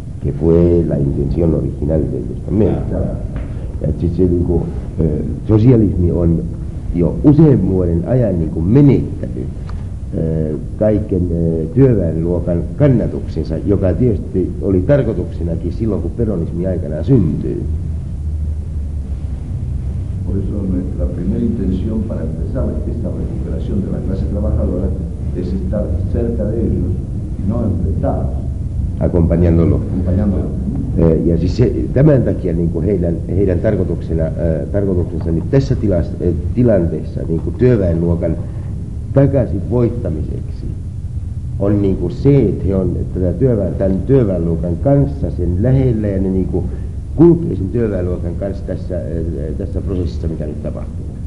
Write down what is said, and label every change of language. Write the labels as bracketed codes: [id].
[es] Que fue la intención original de ellos también. Claro. [fi] Socialismi on jo usein vuoden ajan niin kuin menettänyt kaiken työväenluokan kannatuksensa, joka tietysti oli tarkoituksenakin silloin, kun peronismi aikanaan syntyi. [es] Por eso primera intención para empezar esta recuperación de la clase trabajadora es estar cerca de ellos y no enfrentados. Acompañándolo. [fi] Ja siis tämän takia niin heidän tarkoituksensa niin tässä tilanteessa niin työväenluokan takaisin voittamiseksi on niin se, että he on tämän työväenluokan kanssa sen lähellä ja ne niin kulkee sen työväenluokan kanssa tässä prosessissa, mitä nyt tapahtuu.